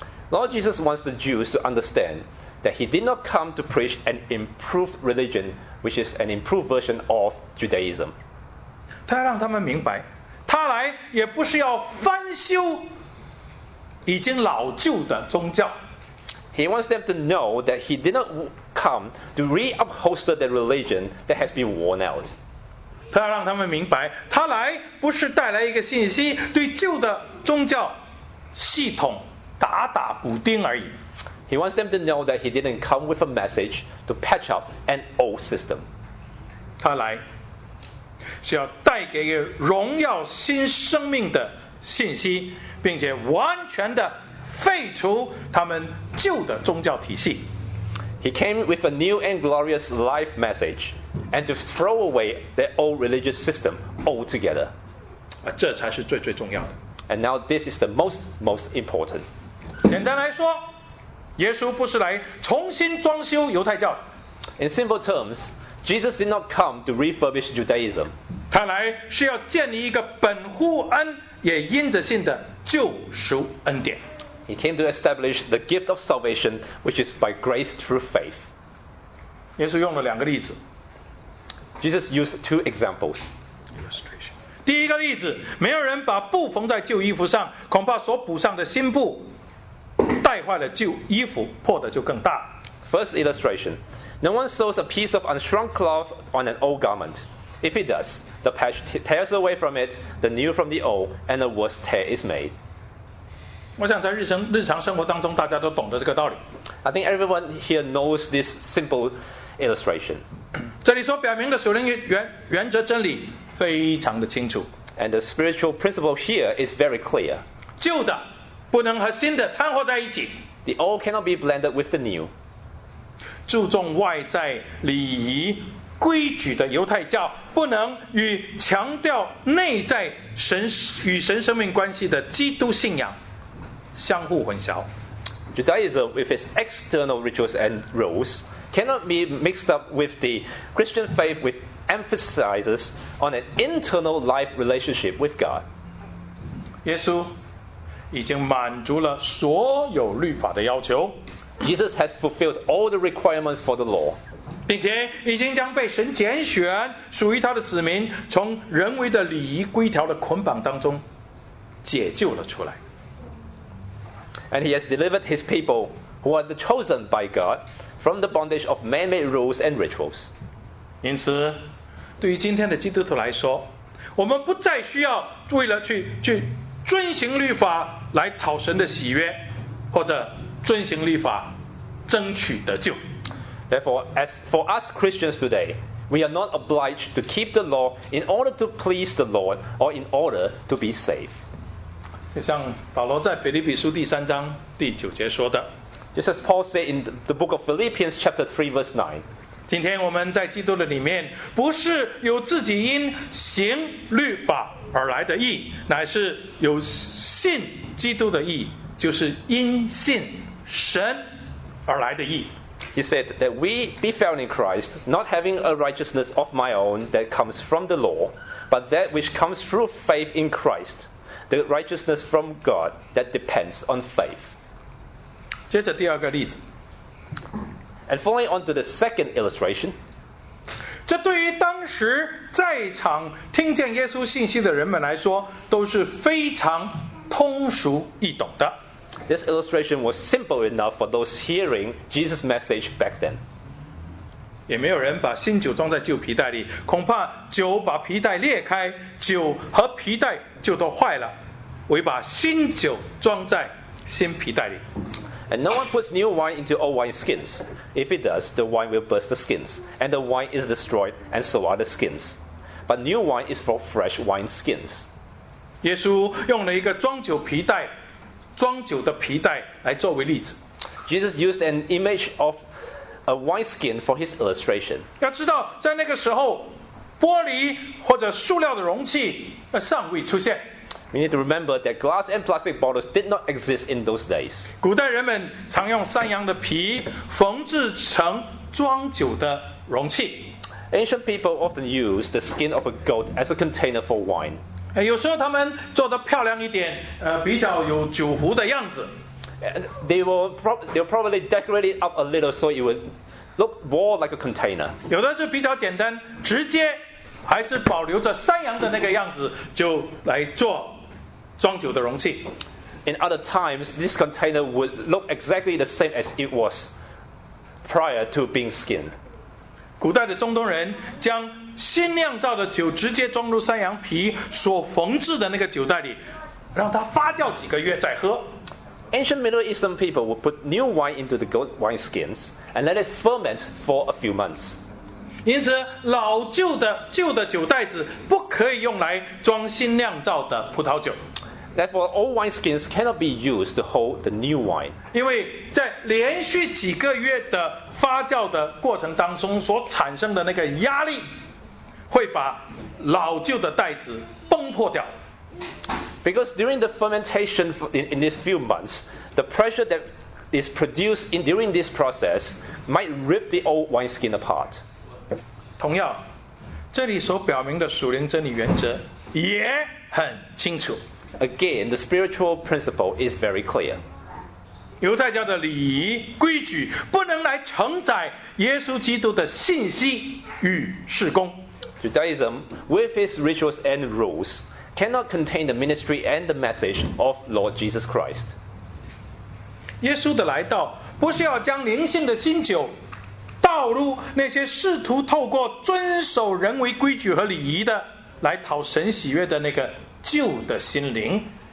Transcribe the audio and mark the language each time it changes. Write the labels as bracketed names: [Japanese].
[English] Lord Jesus wants the Jews to understand that he did not come to preach an improved religion, which is an improved version of Judaism. [Chinese] 他要让他们明白，他来也不是要翻修已经老旧的宗教。 [English] He wants them to know that he did not come to re-upholster the religion that has been worn out. [Chinese] 他要让他们明白，他来不是带来一个信息，对旧的宗教系统打打补丁而已。 [English] He wants them to know that he didn't come with a message to patch up an old system. [Chinese] 他来是要带给荣耀新生命的信息，并且完全的废除他们旧的宗教体系。 [English] He came with a new and glorious life message and to throw away the old religious system altogether. [Chinese] 啊，这才是最最重要的。 [English] And now this is the most important. [Chinese] 简单来说，耶稣不是来重新装修犹太教。 [English] In simple terms, Jesus did not come to refurbish Judaism. [Chinese] 他来是要建立一个本乎恩也因着信的救赎恩典。 [English] He came to establish the gift of salvation, which is by grace through faith. [Chinese] 耶稣用了两个例子。 [English] Jesus used two examples. Illustration. [Chinese] 第一个例子，没有人把布缝在旧衣服上，恐怕所补上的新布带坏了旧衣服，破的就更大。 [English] First illustration, no one sews a piece of unshrunk cloth on an old garment. If he does, the patch tears away from it, the new from the old, and a worse tear is made. [Chinese] 我想在日常生活当中，大家都懂得这个道理。 [English] I think everyone here knows this simple illustration. [Chinese] 这里所表明的属灵原则真理非常的清楚。 [English] And the spiritual principle here is very clear. [Chinese] 旧的不能和新的掺和在一起。 [English] The old cannot be blended with the new. [Chinese] 注重外在礼仪规矩的犹太教不能与强调内在神与神生命关系的基督信仰相互混淆。 [English] Judaism with its external rituals and rules cannot be mixed up with the Christian faith which emphasizes on an internal life relationship with God. [Chinese] 耶稣已经满足了所有律法的要求。 [English] Jesus has fulfilled all the requirements for the law. [Chinese] 并且已经将被神拣选属于他的子民从人为的礼仪规条的捆绑当中解救了出来。 [English] And he has delivered his people who are the chosen by God from the bondage of man-made rules and rituals. [Chinese] 因此对于今天的基督徒来说，我们不再需要为了去遵行律法来讨神的喜悦，或者遵行律法争取得救。 [English] Therefore, as for us Christians today, we are not obliged to keep the law in order to please the Lord or in order to be saved. [Chinese] 就像保罗在腓立比书第三章第九节说的。 [English] Just as Paul said in the book of Philippians chapter 3 verse 9. [Chinese] 今天我们在基督的里面，不是有自己因行律法而来的义，乃是有信基督的义，就是因信神而来的义。 [English] He said that we be found in Christ, not having a righteousness of my own that comes from the law, but that which comes through faith in Christ, the righteousness from God that depends on faith. [Chinese] 接着第二个例子， [English] And falling onto the second illustration, [Chinese] 这对于当时在场听见耶稣信息的人们来说，都是非常通俗易懂的。 [English] This illustration was simple enough for those hearing Jesus' message back then. [Chinese] 也没有人把新酒装在旧皮袋里，恐怕酒把皮袋裂开，酒和皮袋就都坏了，唯把新酒装在新皮袋里。 [English] And no one puts new wine into old wine skins. If it does, the wine will burst the skins, and the wine is destroyed, and so are the skins. But new wine is for fresh wine skins. [Chinese] 耶稣用了一个装酒皮袋，装酒的皮袋来作为例子。 [English] Jesus used an image of a wine skin for his illustration. [Chinese] 要知道，在那个时候，玻璃或者塑料的容器尚未出现。 [English] We need to remember that glass and plastic bottles did not exist in those days. [Chinese] 古代人们常用山羊的皮缝制成装酒的容器。 [English] Ancient people often used the skin of a goat as a container for wine. [Chinese] 有时候他们做得漂亮一点，比较有酒壶的样子。 [English] They'll probably decorate it up a little so it would look more like a container. [Chinese] 有的就比较简单，直接还是保留着山羊的那个样子，就来做装酒的容器。 [English] In other times, this container would look exactly the same as it was prior to being skinned. [Chinese] 古代的中东人将新酿造的酒直接装入山羊皮所缝制的那个酒袋里，让它发酵几个月再喝。 [English] Ancient Middle Eastern people would put new wine into the goat wine skins and let it ferment for a few months. [Chinese] 因此老旧的旧的酒袋子不可以用来装新酿造的葡萄酒。 [English] Therefore, old wineskins cannot be used to hold the new wine. [Chinese] 因为在连续几个月的发酵的过程当中所产生的那个压力会把老旧的袋子崩破掉。 [English] Because during the fermentation in these few months, the pressure that is produced during this process might rip the old wineskin apart. [Chinese] 同样，这里所表明的属灵真理原则也很清楚。 [English] Again, the spiritual principle is very clear. [Chinese] 犹太教的礼仪规矩不能来承载耶稣基督的信息与事工。 [English] Judaism, with its rituals and rules, cannot contain the ministry and the message of Lord Jesus Christ. [Chinese] 耶稣的来到不是要将灵性的新酒道路那些试图透过遵守人为规矩和礼仪的来讨神喜悦的那个旧的心灵。